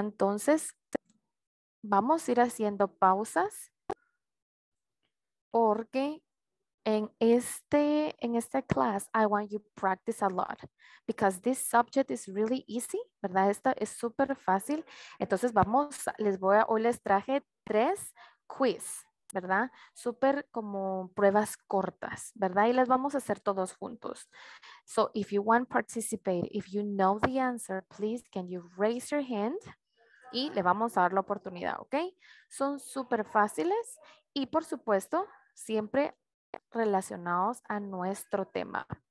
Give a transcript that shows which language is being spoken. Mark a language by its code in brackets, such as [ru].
[es] Entonces, vamos a ir haciendo pausas porque en esta [en] class, I want you to practice a lot because this subject is really easy, [es] ¿verdad? Esta es súper fácil. Entonces, hoy les traje tres quiz, ¿verdad? Súper como pruebas cortas, ¿verdad? Y las vamos a hacer todos juntos. [en] So, if you want to participate, if you know the answer, please, can you raise your hand? [es] Y le vamos a dar la oportunidad, ¿ok? Son súper fáciles y, por supuesto, siempre relacionados a nuestro tema.